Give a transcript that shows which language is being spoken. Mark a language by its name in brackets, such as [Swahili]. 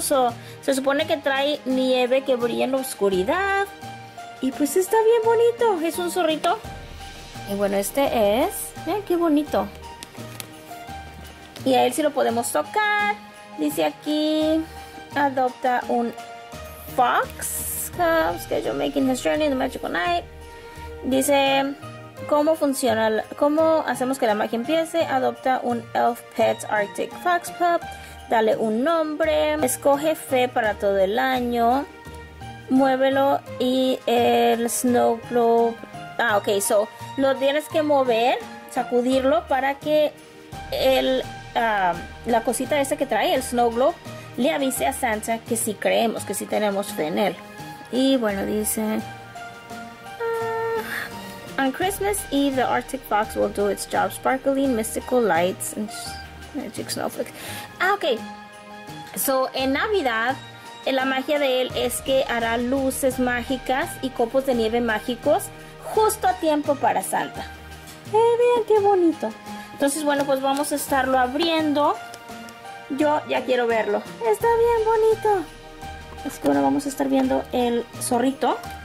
[Spanish] So, se supone que trae nieve que brilla en la oscuridad. Y pues está bien bonito. Es un zorrito. Y bueno, este es... Miren qué bonito. Y a él sí lo podemos tocar. Dice aquí... Adopta un fox. [English] Schedule making his journey in the magical night. [Spanish] Dice... ¿Cómo funciona? ¿Cómo hacemos que la magia empiece? Adopta un Elf Pet Arctic Fox Pup. Dale un nombre. Escoge fe para todo el año. Muévelo y el snow globe. Ah, ok. So, lo tienes que mover, sacudirlo para que el, la cosita esa que trae, el snow globe, le avise a Santa que sí creemos, que sí tenemos fe en él. Y bueno, dice... [English] On Christmas Eve, the Arctic Fox will do its job, sparkling mystical lights and magic snowflakes. Ah, ok. [Spanish] So, en Navidad, la magia de él es que hará luces mágicas y copos de nieve mágicos justo a tiempo para Santa. Vean qué bonito. Entonces, bueno, pues vamos a estarlo abriendo. Yo ya quiero verlo. Está bien bonito. Así que, bueno, vamos a estar viendo el zorrito.